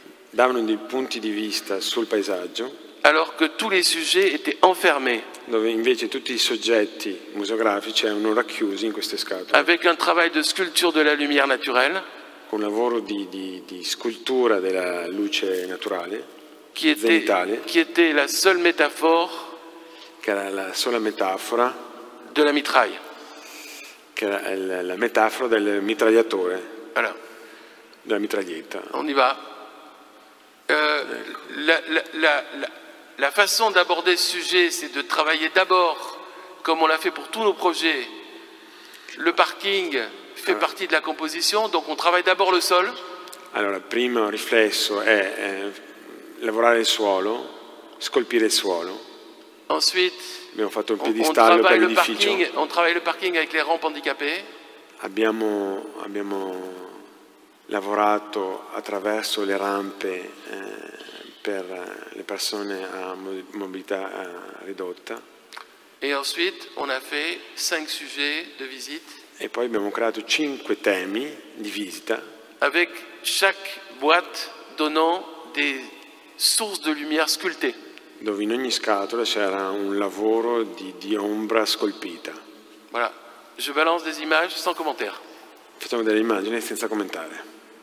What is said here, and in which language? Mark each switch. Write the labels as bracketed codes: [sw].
[it] davano dei punti di vista sul paesaggio [fr] alors que tous les sujets étaient enfermés [it] dove invece tutti i soggetti museografici erano racchiusi in queste scatole [fr] avec un travail de sculpture de la lumière naturelle [it] con un lavoro di scultura della luce naturale [fr] qui était la seule métaphore [it] che era la sola metafora della mitraille che era la metafora del mitragliatore allora, della mitraglietta [fr] on y va ecco. la façon d'aborder ce sujet c'est de travailler d'abord comme on l'a fait pour tous nos projets le parking fait allora. Partie de la composition donc on travaille d'abord le sol [it] allora il primo riflesso è lavorare il suolo scolpire il suolo. [fr] Ensuite, [it] abbiamo fatto un piedistallo per l'edificio. [fr] On travaille le parking avec les rampes handicapées. [it] abbiamo lavorato attraverso le rampe per le persone a mobilità ridotta. [fr] Et ensuite, on a fait 5 sujets de visite. [it] E poi abbiamo creato 5 temi di visita. [fr] Avec chaque boîte donnant des sources de lumière sculptées. [it] Dove in ogni scatola c'era un lavoro di ombra scolpita. [fr] Voilà, je balance des images sans commentaire. [it] Facciamo delle immagini senza commentare.